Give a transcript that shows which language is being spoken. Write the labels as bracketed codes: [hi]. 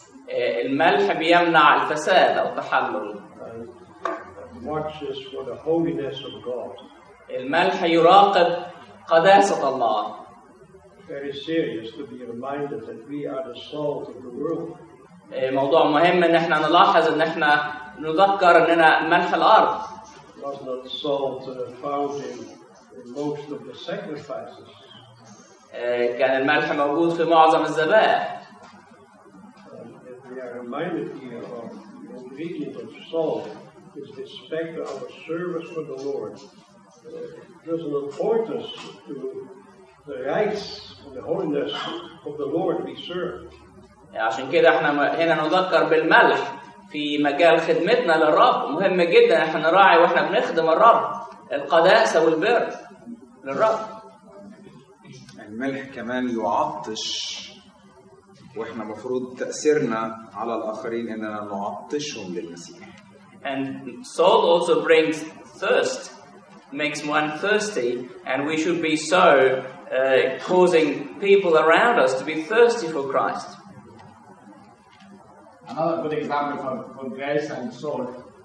[ar] الملح بيمنع الفساد أو التحلل. [en] Watches for the holiness of God. [ar] الملح يراقب قداسة الله. [en] Very serious to be reminded that we are the salt of the world. [ar] موضوع مهم إن إحنا نلاحظ إن إحنا نذكر إننا ملح الأرض. [en] Was not salt found in most of the sacrifices? [ar] كان الملح موجود في معظم الذبائح. [en] We are reminded here of the ingredient of salt is the specter of a service for the Lord. There's an importance to the rights and the holiness of the Lord we serve. [ar] عشان كده احنا هنا نذكر بالملح في مجال خدمتنا للرب. مهم جدا احنا نراعي واحنا بنخدم الرب القداسة والبر للرب. الملح كمان يعطش، واحنا مفروض تأثيرنا على الآخرين اننا نعطشهم للمسيح. [en] And salt also brings thirst, makes one thirsty, and we should be so causing people around us to be thirsty for Christ. Another good example for grace and salt.